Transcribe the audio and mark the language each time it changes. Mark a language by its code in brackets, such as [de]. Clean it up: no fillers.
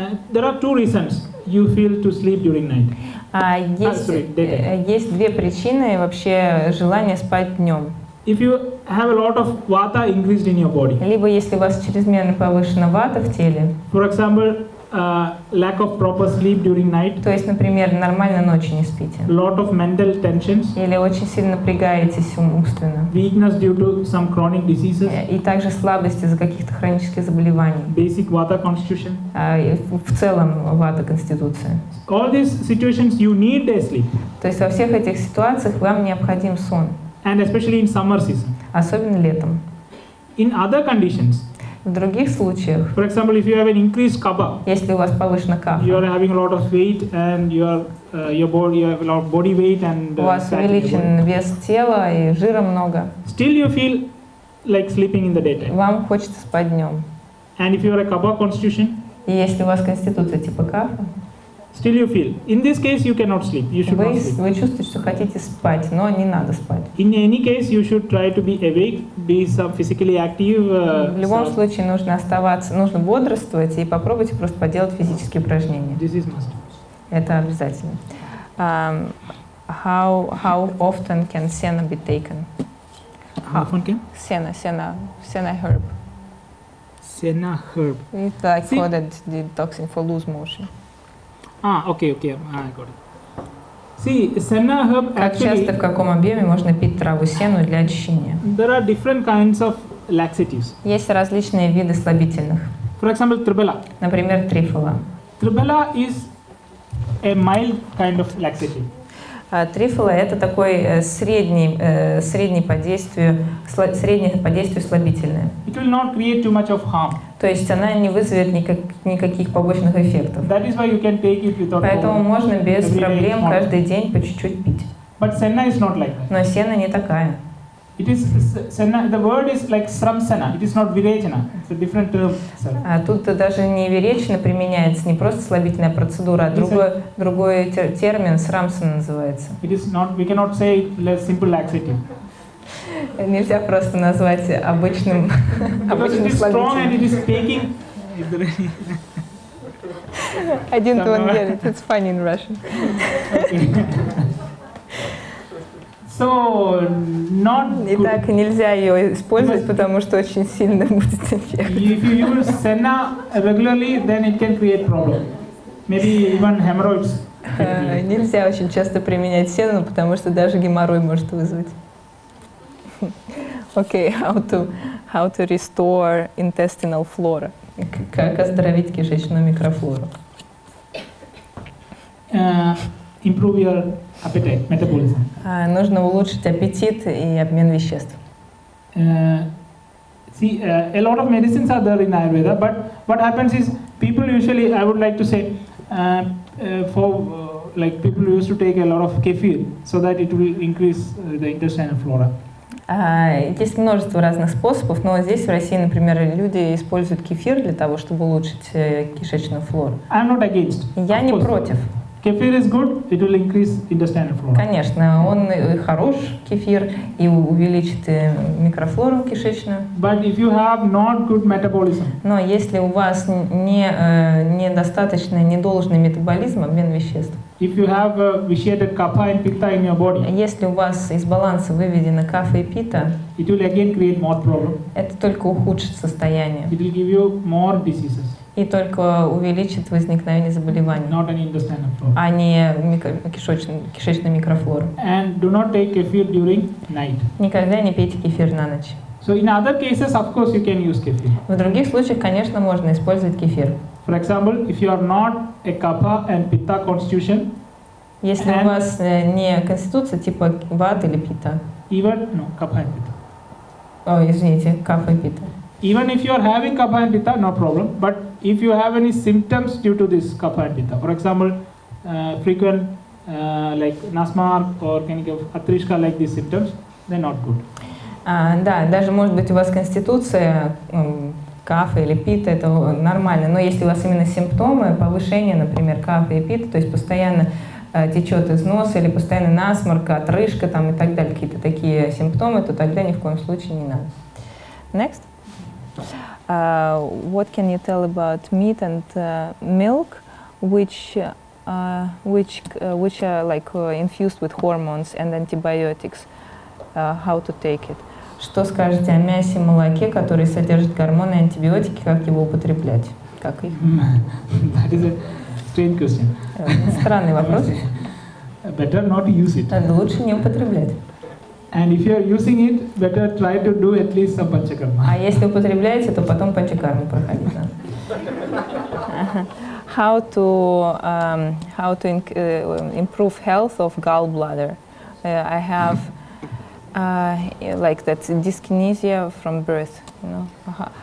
[en] There are two reasons you feel to sleep during night. [ru] Есть две причины вообще желания спать днем. [en] If you have a lot of vata increased in your body. [ru] Либо если у вас чрезмерно повышена вата в теле. [en] For example, lack of proper sleep during night. [ru] То есть, например, нормально ночью не спите. [en] Lot of mental tensions. [ru] Или очень сильно напрягаетесь умственно. [en] Weakness due to some chronic diseases. [ru] И также слабость из-за каких-то хронических заболеваний. [en] Basic vata constitution. [ru] В целом вата конституция. [en] All these situations you need a sleep. [ru] То есть во всех этих ситуациях вам необходим сон. [en] And especially in summer season. [ru] Особенно летом. [en] In other conditions. [ru] В других случаях. [en] For example, if you have an increased kapha. [ru] Если у вас повышена кафа. [en] You are having a lot of weight and you have a lot of body weight and. [ru] У вас увеличен вес тела и жира много. [en] Still you feel like sleeping in the daytime. [ru] Вам хочется спать днем. [en] And if you are a kapha constitution. [ru] И если у вас конституция типа кафа. [en] still you feel. In this case, you cannot sleep. You should not sleep. [ru] Вы чувствуете, что хотите спать, но не надо спать. [en] In any case, you should try to be awake, be some physically active. [ru] В любом случае нужно оставаться, нужно бодрствовать и попробуйте просто поделать физические упражнения. [en] This is must. [ru] Это обязательно. [en] How often can senna be taken? How often can? Senna herb. Senna herb. It's like for that the toxin for loose motion. Ah, okay, I got it. See, senna herb actually. [ru] Как часто, в каком объеме можно пить траву сену для очищения? [en] There are different kinds of laxatives. [ru] Есть различные виды слабительных. [en] For example, tribala. [ru] Например, трифола. [en] Tribala is a mild kind of laxative. [ru] Трифола – это такой среднее по действию слабительное. [en] It will not create too much of harm. [ru] То есть она не вызовет никаких побочных эффектов. [en] That is why you can take it without. [ru] Поэтому можно без проблем каждый день по чуть-чуть пить. [en] But senna is not like that. [ru] Но сена не такая. [en] It is senna. The word is like sramsena. It is not virechana. It's a different term. [ru] А тут даже не виречина применяется, не просто слабительная процедура, а другой термин срамсен называется. [en] It is not. We cannot say less simple laxative. [ru] Нельзя просто назвать обычным слабительным. [en] Because it is strong and it is taking. I didn't understand. It's funny in Russian. So not. [ru] Итак, нельзя ее использовать, потому что очень сильно будет эффект. [en] If you use senna regularly, then it can create problem. Maybe even hemorrhoids. [ru] Нельзя очень часто применять сено, потому что даже геморрой может вызвать. [en] Okay, how to restore intestinal flora? [ru] Как оздоровить кишечную микрофлору? [en] Improve your appetite, metabolism. [ru] Нужно улучшить аппетит и обмен веществ. [en] See, a lot of medicines are there in Ayurveda, but what happens is people usually, I would like to say, for people used to take a lot of kefir, so that it will increase the intestinal flora. [ru] Есть множество разных способов, но здесь, в России, например, люди используют кефир для того, чтобы улучшить кишечную флору. [en] I'm not against. [ru] Я не против. [en] Кефир is good, it will increase intestinal flora. [ru] Конечно, он хорош, кефир, и увеличит микрофлору кишечную. [en] But if you have not good metabolism. [ru] Но если у вас недостаточный, недолжный метаболизм, обмен веществ. [en] If you have vitiated kapha and pitta in your body. [ru] Если у вас из баланса выведены капха и питта. [en] It will again create more problem. [ru] Это только ухудшит состояние. [en] It will give you more diseases. [ru] И только увеличит возникновение заболеваний, [en] not an intestinal flora. [ru] А не кишечную микрофлору. [en] And do not take kefir during night. [ru] Никогда не пейте кефир на ночь. [en] So in other cases, of course, you can use kefir. [ru] В других случаях, конечно, можно использовать кефир. [en] For example, if you are not a kapha and pitta constitution. [ru] Если у вас не конституция типа вата или питта. [en] Even no, kapha and pitta. [ru] Извините, кафа и питта. [en] Even if you are having kapha and pitta, no problem. But if you have any symptoms due to this kapha and pitta, for example, frequent like nasmar or clinic of atrishka like these symptoms, they're not good. [ru] Да, даже может быть у вас конституция кафа или питта, это нормально. Но если у вас именно симптомы, повышение, например, кафа и питта, то есть постоянно течет из носа или постоянно насморк, отрыжка там и так далее, какие-то такие симптомы, то тогда ни в коем случае не надо. [en] Next. What can you tell about meat and milk, which are like infused with hormones and antibiotics? How to take it? [ru] Что скажете о мясе и молоке, которые содержат гормоны и антибиотики, как его употреблять? Как их? [en] That is a strange question. [ru] Странный вопрос. [en] Better not use it. [ru] Лучше не употреблять. [en] And if you are using it, better try to do at least some panchakarma. [ru] А если употребляете, то потом панчакарму проходить надо. [en] How to improve health of gallbladder? I have like that dyskinesia from birth. You know?